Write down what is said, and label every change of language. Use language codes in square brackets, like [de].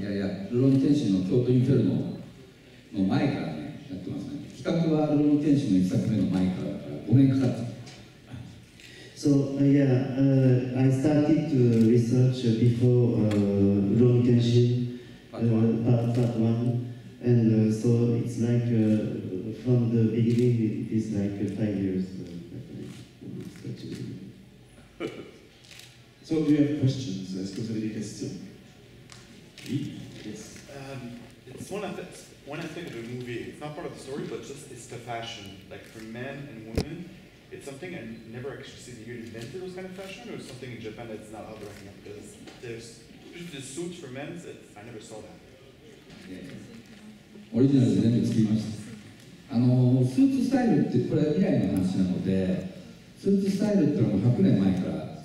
[ja] Yeah, Lone Tenshi の京都インフェルノの前からね、やってますね。企画はLone Tenshi の一作目の前から、5年かかった。So, [en] yeah, I started to research before Lone Tenshi, part one. And so it's like from the beginning, it is like 5 years that I researched. So do you have questions? [fr] Est-ce que vous avez des questions? Oui. Yes. [en] It's one aspect of the movie. It's not part of the story, but just it's the fashion. Like for men and women, it's something I never actually see that you invented those kind of fashion, or something in Japan that's not out right now. Because there's the suits for men, I never saw that. Yeah. Original is never seen. [ja] Suit style, これは未来の話なので、suit style ってのは100年前から。